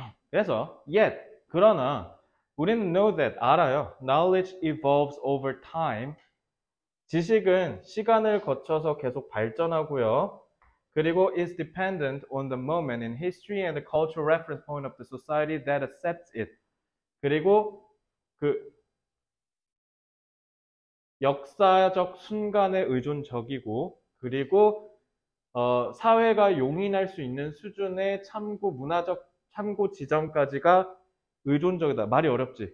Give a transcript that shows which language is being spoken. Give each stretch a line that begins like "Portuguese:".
Korean: 그래서, yet, 그러나, 우리는
English: know that,
Korean: 알아요.
English: Knowledge evolves over time.
Korean: 지식은 시간을 거쳐서 계속 발전하고요. 그리고
English: is dependent on the moment in history and the cultural reference point of the society that accepts it.
Korean: 그리고 그 역사적 순간에 의존적이고, 그리고, 사회가 용인할 수 있는 수준의 참고 지점까지가 의존적이다. 말이 어렵지.